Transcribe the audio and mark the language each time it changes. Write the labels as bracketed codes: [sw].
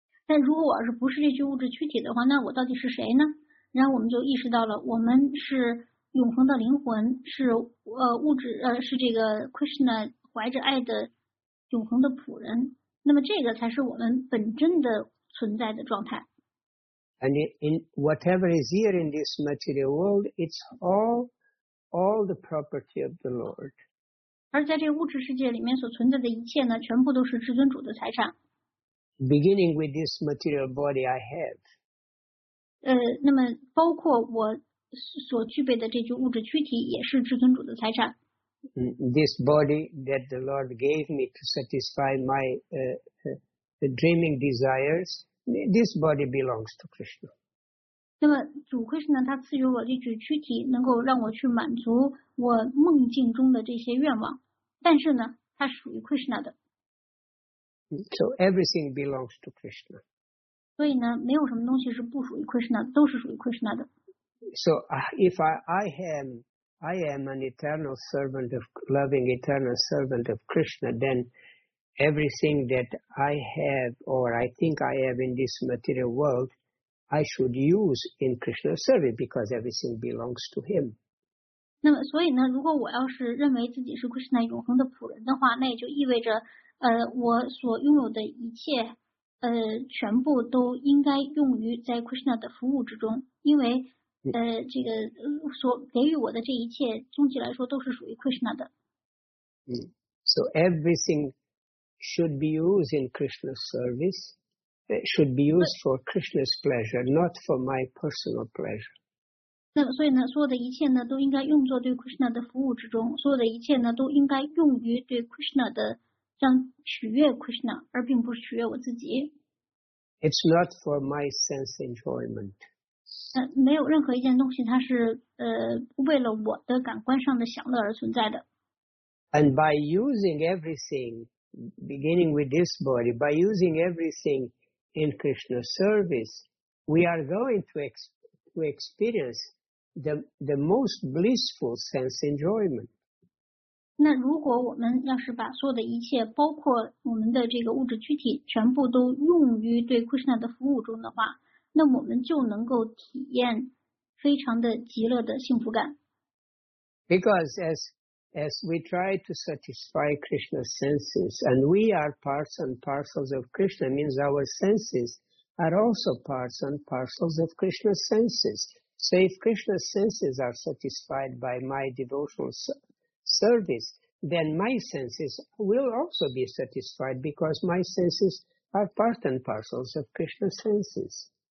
[zh] 但如果我是不是这具物质躯体的话，那我到底是谁呢？然后我们就意识到了，我们是永恒的灵魂，是物质是这个 Krishna 怀着爱的永恒的仆人。那么这个才是我们本真的存在的状态。 [en] And in whatever is here in this material world, it's all the property of the Lord. [zh] 而在这物质世界里面所存在的一切呢，全部都是至尊主的财产。 [en] Beginning with this material body I have. [zh] 那么包括我所具备的这具物质躯体也是至尊主的财产。 [en] This body that the Lord gave me to satisfy my dreaming desires, this body belongs to Krishna. [zh] 那么主 Krishna 他赐予我这具躯体，能够让我去满足我梦境中的这些愿望，但是呢，它属于 Krishna 的。 [en] So everything belongs to Krishna. [zh] 所以呢，没有什么东西是不属于 Krishna， 都是属于 Krishna 的。 [en] So if I am an eternal servant of loving eternal servant of Krishna, then everything that I have or I think I have in this material world, I should use in Krishna's service because everything belongs to Him. [zh] 那么所以呢，如果我要是认为自己是 Krishna 永恒的仆人的话，那也就意味着，我所拥有的一切全部都应该用于在 Krishna 的服务之中，因为这个所给予我的这一切，总体来说都是属于 Krishna 的。 [en] So everything should be used in Krishna's service. It should be used for Krishna's pleasure, not for my personal pleasure. [zh] 那所以呢，所有的一切呢，都应该用作对 Krishna 的服务之中。所有的一切呢，都应该用于对 Krishna 的。 [en] It's not for my sense enjoyment. [zh] 没有任何一件东西它是为了我的感官上的享乐而存在的。 [en] And by using everything, beginning with this body, by using everything in Krishna's service, we are going to experience the most blissful sense enjoyment. [zh] 那如果我们要是把所有的一切包括我们的这个物质躯体全部都用于对 Krishna 的服务中的话，那我们就能够体验非常的极乐的幸福感。 [en] Because as we try to satisfy Krishna's senses, and we are parts and parcels of Krishna, means our senses are also parts and parcels of Krishna's senses. So if Krishna's senses are satisfied by my devotional service, then my senses will also be satisfied because my senses are part and parcels of Krishna's senses.